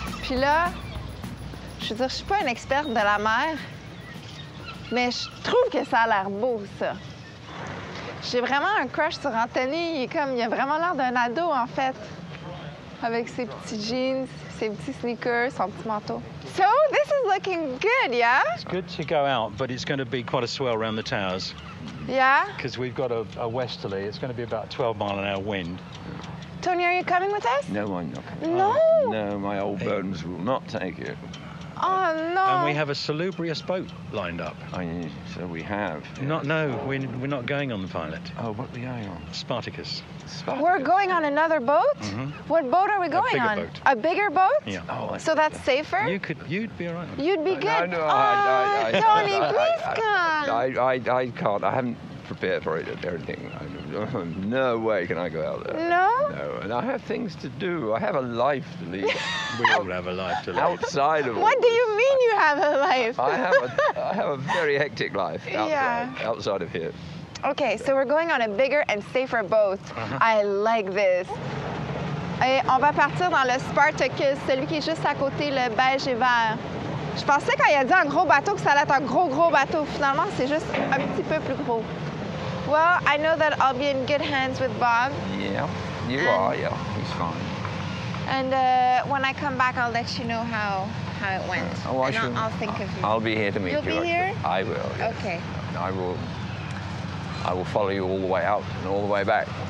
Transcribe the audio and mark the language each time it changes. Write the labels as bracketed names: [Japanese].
[French] Puis là, je veux dire, je suis pas une experte de la mer, mais je trouve que ça a l'air beau, ça. J'ai vraiment un crush sur Anthony. Il a vraiment l'air d'un ado, en fait, avec ses petits jeans, ses petits sneakers, son petit manteau. [English] So, this is looking good, yeah? It's good to go out, but it's going to be quite a swell around the towers. Yeah? Because we've got a westerly. It's going to be about 12 mile an hour wind. Tony, are you coming with us? No, I'm not coming. No? No, my old bones will not take it. Oh, no. And we have a salubrious boat lined up. So we have. Yes. Not, no, we're not going on the pilot. Oh, what are we going on? Spartacus. We're going on another boat? Mm-hmm. What boat are we going on? A bigger boat. A bigger boat? Yeah. Oh, so that's safer? You'd be all right. You'd be good? No, Tony, please come. I can't. I haven't prepared for it or anything. No way can I go out there. No? No, and I have things to do. I have a life to lead. We all have a life to lead. Outside of what do you mean you have a life? I have a very hectic life outside of here. Okay, so we're going on a bigger and safer boat. Uh-huh. I like this. [French] Et on va partir dans le Spartacus, celui qui est juste à côté, le beige et vert. Je pensais quand il a dit un gros bateau que ça allait être un gros, gros bateau. Finalement, c'est juste un petit peu plus gros. [English] Well, I know that I'll be in good hands with Bob. Yeah, you are, he's fine. And when I come back, I'll let you know how it went. I'll think of you. I'll be here to meet you. You'll be here? I will, yes. Okay. I will follow you all the way out and all the way back.